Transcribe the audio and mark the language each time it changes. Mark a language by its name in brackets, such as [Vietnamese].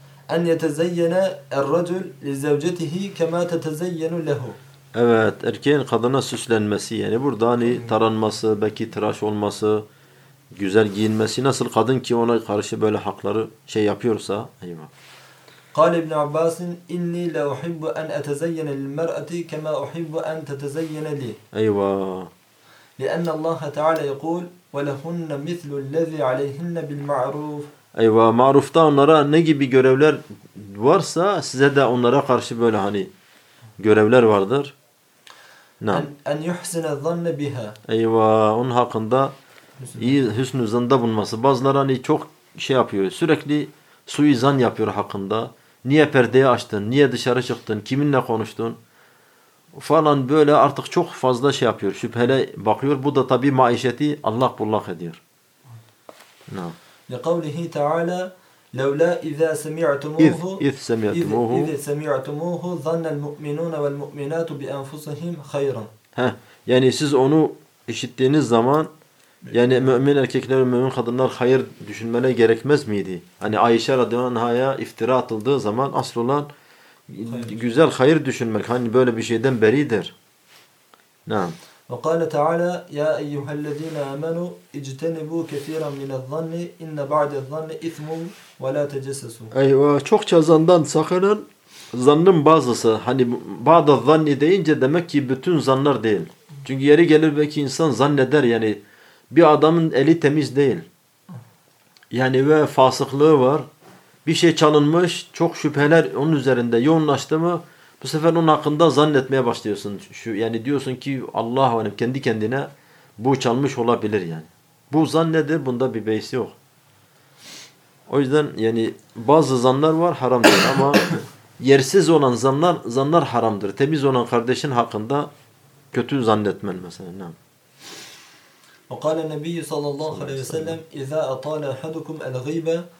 [Arabic] أن يتزين الرجل لزوجته كما تتزين له. [Turkish] Evet, erkeğin kadına süslenmesi yani burada hani taranması, belki tıraş olması, güzel giyinmesi, nasıl kadın ki ona karşı böyle hakları şey yapıyorsa. Eyva. [Arabic] قال ابن عباس إني لا أحب أن أتزين للمرأة كما أحب أن تتزين لي. [Turkish] Eyva. [Arabic] لأن الله تعالى يقول ولهن مثل الذي عليهن بالمعروف. [Turkish] Eyvah, marufta onlara ne gibi görevler varsa size de onlara karşı böyle hani görevler vardır. [Arabic] En yuhsine zanne biha. [Turkish] Eyvah, onun hakkında iyi hüsnü zanda bulması. Bazıları hani çok şey yapıyor, sürekli suizan yapıyor hakkında. Niye perdeyi açtın, niye dışarı çıktın, kiminle konuştun falan, böyle artık çok fazla şey yapıyor, şüphele bakıyor. Bu da tabii maişeti allak bullak ediyor. [Arabic] لِقَوْلِهِ تَعَالَى لَوْ لَا اِذَا سَمِعْتُمُوهُ اِذْ سَمِعْتُمُوهُ ظَنَّ الْمُؤْمِنُونَ وَالْمُؤْمِنَاتُ بِأَنْفُسِهِمْ خَيْرًا. [Turkish] Yani siz onu işittiğiniz zaman, yani mümin erkekler ve mümin kadınlar hayır düşünmene gerekmez miydi? Hani Ayşe radıyallahu anh'a iftira atıldığı zaman asıl olan hayır, güzel hayır düşünmek. Hani böyle bir şeyden beridir. [Arabic] Naam. وقال تعالى يا أيها الذين آمنوا اجتنبوا كثيرا من الظن إن بعد الظن إثم ولا تجسسوا. [Turkish] أيوة, çokça zandan sakının, zannın bazısı. Hani bazı zanni deyince demek ki bütün zanlar değil. Çünkü yeri gelir belki insan zanneder, yani bir adamın eli temiz değil. Yani ve fasıklığı var. Bir şey çalınmış, çok şüpheler onun üzerinde yoğunlaştı mı, bu sefer onun hakkında zannetmeye başlıyorsun. Şu, yani diyorsun ki Allah'u alem, kendi kendine bu çalmış olabilir yani. Bu zan nedir? Bunda bir beis yok. O yüzden yani bazı zanlar var haramdır ama yersiz olan zanlar haramdır. Temiz olan kardeşin hakkında kötü zannetmen mesela. Ne? [Arabic] وقال النبي صلى الله عليه وسلم إذا أطال أحدكم الغيبة